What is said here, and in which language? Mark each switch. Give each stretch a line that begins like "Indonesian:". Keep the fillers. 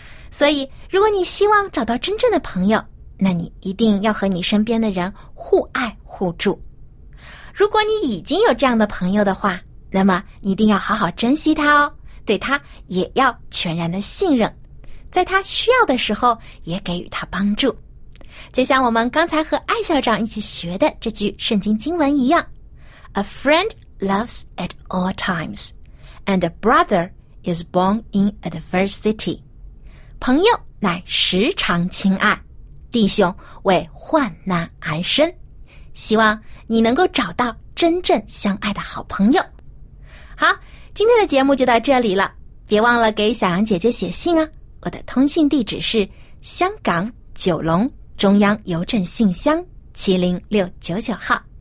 Chinese: 所以，如果你希望找到真正的朋友，那你一定要和你身边的人互爱互助。如果你已经有这样的朋友的话，那么你一定要好好珍惜他哦，对他也要全然的信任，在他需要的时候也给予他帮助。就像我们刚才和艾校长一起学的这句圣经经文一样：
English: “A friend loves at all times, and a brother is born in adversity.”
Chinese: 朋友乃时常亲爱，弟兄为患难而生。希望你能够找到真正相爱的好朋友。好，今天的节目就到这里了，别忘了给小杨姐姐写信啊！我的通信地址是香港九龙中央邮政信箱七零六九九号。